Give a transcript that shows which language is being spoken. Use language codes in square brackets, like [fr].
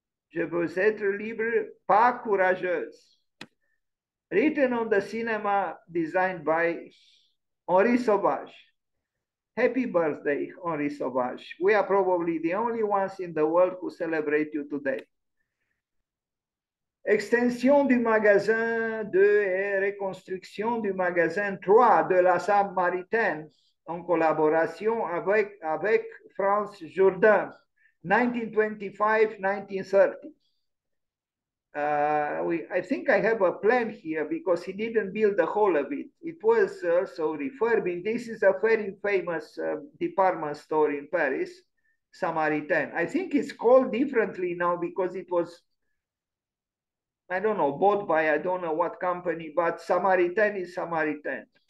[fr] Je veux être libre, pas courageuse. [en] Written on the cinema designed by Henri Sauvage. Happy birthday, Henri Sauvage. We are probably the only ones in the world who celebrate you today. [fr] Extension du magasin 2 et reconstruction du magasin 3 de la Samaritaine en collaboration avec France Jourdain, 1925-1930. [en] I think I have a plan here because he didn't build the whole of it. It was also refurbished. This is a very famous department store in Paris, Samaritaine. I think it's called differently now because it was, I don't know, bought by I don't know what company, but Samaritaine is Samaritaine.